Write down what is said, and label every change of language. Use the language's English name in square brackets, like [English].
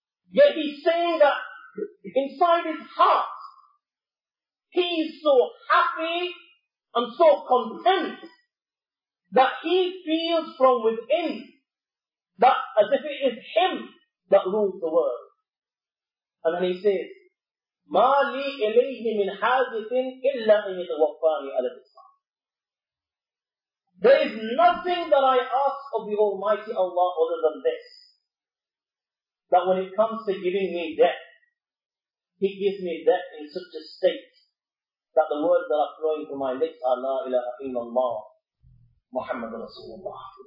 [English] Yet he's saying that inside his heart, he's so happy and so content that he feels from within, that as if it is him that rules the world. And then he says, [Arabic] مَا لِي إِلَيْهِ مِنْ حَاجَةٍ إِلَّا إِنْ يَتَوَفَّانِي عَلَى الْإِسْلَامِ. [English] There is nothing that I ask of the Almighty Allah other than this, that when it comes to giving me death, he gives me death in such a state that the words that are flowing from my lips are [Arabic] لَا إِلَهَ إِلَّا اللَّهِ [English] Muhammad Rasulullah.